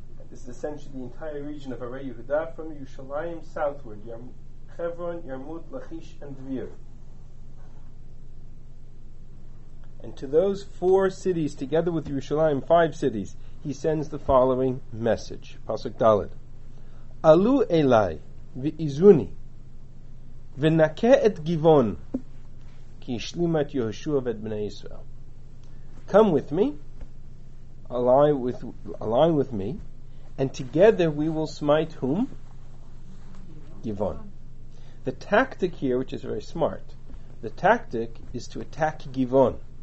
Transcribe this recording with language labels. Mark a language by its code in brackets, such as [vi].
[en] This is essentially the entire region of Are Yehuda from Yerushalayim southward. Chevron, Yarmut, Lachish, and Dvir. And to those four cities, together with Yerushalayim, five cities, he sends the following message. Pasuk Dalet. [he] Alu Elai v'izuni ונקה את גבעון כי השלימה את יהושע ואת בני ישראל. [en] Come with me, align with me, and together we will smite whom? Givon. The tactic here, which is very smart, the tactic is to attack Givon.